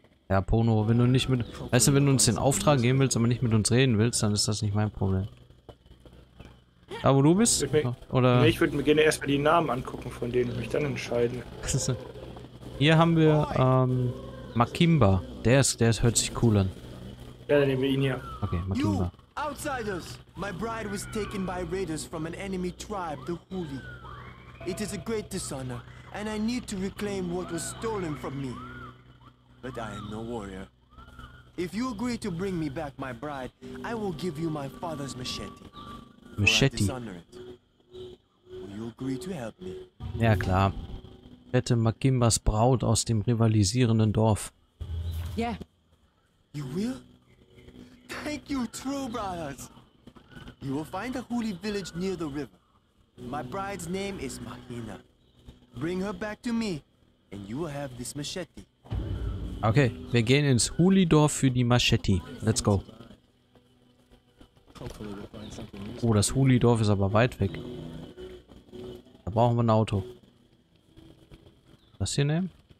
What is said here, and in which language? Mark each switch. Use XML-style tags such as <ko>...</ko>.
<de>Ja, Pono, wenn du nicht mit... Weißt du, wenn du uns den Auftrag geben willst, aber nicht mit uns reden willst, dann ist das nicht mein Problem. Da, wo du bist? Oder? Nee, ich würde mir gerne erstmal die Namen angucken von denen und mich dann entscheiden. Hier haben wir, Makimba. Der hört sich cool an. Ja, dann nehmen wir ihn hier. Okay, Makimba.</de> <en>Outsiders! My bride was taken by raiders from an enemy tribe, the Huli. It is a great dishonor, and I need to reclaim what was stolen from me. But I am no warrior. If you agree to bring me back my bride, I will give you my father's machete. Machete. Dishonor it. Will you agree to help me?</en> <de>Ja klar. Rette Makimbas Braut aus dem rivalisierenden Dorf.</de> <en>Yeah. You will? Thank you, true brothers. You will find a Huli village near the river. My bride's name is Mahina. Bring her back to me, and you will have this machete.</en> <de>Okay, wir gehen ins Huli-Dorf für die Machete.</de> <en>Let's go.</en> <de>Oh, das Huli-Dorf ist aber weit weg. Da brauchen wir ein Auto. Das hier nehmen?</de>